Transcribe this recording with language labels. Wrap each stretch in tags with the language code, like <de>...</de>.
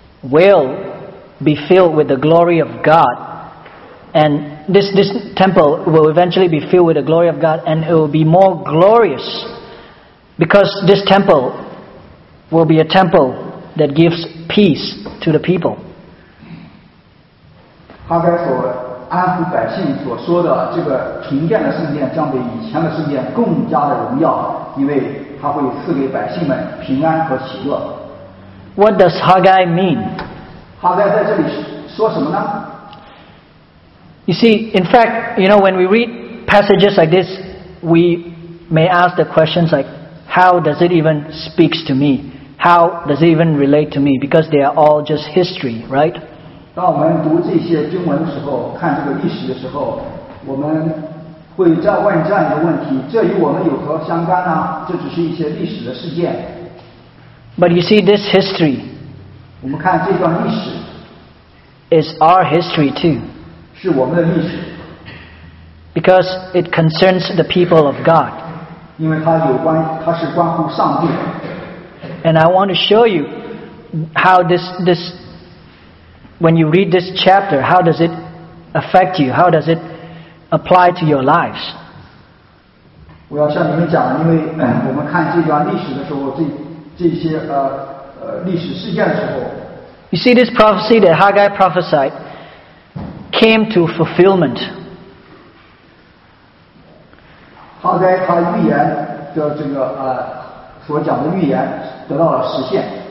<en>will be filled with the glory of God, and this temple will eventually be filled with the glory of God, and it will be more glorious because this temple will be a temple that gives peace to the people.</en> <zh>他该所安抚百姓所说的这个重建的圣殿将比以前的圣殿更加的荣耀，因为他会赐给百姓们平安和喜乐。</zh> <en>What does Haggai mean?</en> <zh>哈该在这里说什么呢？</zh> <en>You see, in fact, you know, when we read passages like this, we may ask the questions like, how does it even speak to me? How does it even relate to me? Because they are all just history, right?</en> <zh>当我们读这些经文的时候，看这个历史的时候，我们会再问这样一个问题，这与我们有何相干呢？这只是一些历史的事件。</zh> <en>But you see, this history,</en> <zh>我们看这段历史，</zh> <en>is our history too.</en> <zh>是我们的历史。</zh> <en>Because it concerns the people of God.</en> <zh>因为它有关，它是关乎上帝。</zh> <en>And I want to show you how this when you read this chapter, how does it affect you? How does it apply to your lives?</en> <zh>我要向你们讲，因为我们看这段历史的时候，这些历史事件的时候，</zh> <en>you see, this prophecy that Haggai prophesied came to fulfillment.</en> <zh>哈该他预言的这个所讲的预言得到了实现。</zh>